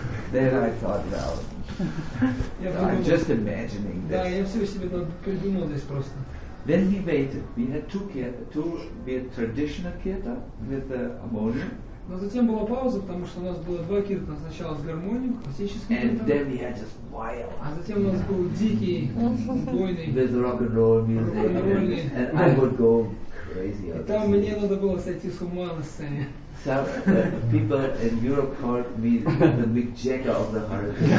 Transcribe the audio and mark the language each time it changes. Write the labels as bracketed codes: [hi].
[en] Then I thought, well, I'm just imagining this. [ru] Да, я все себе придумал здесь просто. [en] Then we waited. We had two traditional kirtan with the harmonium. [ru] Но затем была пауза, потому что у нас было два кирта. Сначала с гармонией, классическим кирта. [en] And then we had just wild. [ru] А затем у нас был дикий, бойный. [en] With rock and roll music. And I would go crazy. [ru] И там мне надо было сойти с ума на сцене. [en] So people in Europe called me the Mick Jagger of the Hare